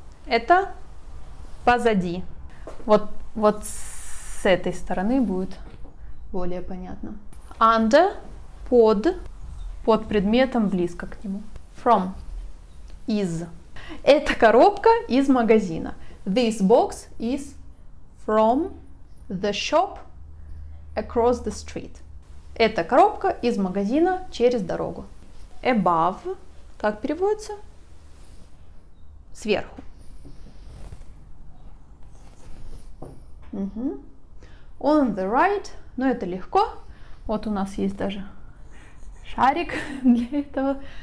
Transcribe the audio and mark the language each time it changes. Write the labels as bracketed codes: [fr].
[ru] Это позади. Вот, вот с этой стороны будет более понятно. [en] Under. [ru] Под. Под предметом, близко к нему. [en] From. Is. [ru] Эта коробка из магазина. [en] This box is from the shop across the street. [ru] Эта коробка из магазина через дорогу. [en] Above, [ru] как переводится? Сверху. Угу. [en] On the right, [ru] но это легко. Вот у нас есть даже шарик для этого.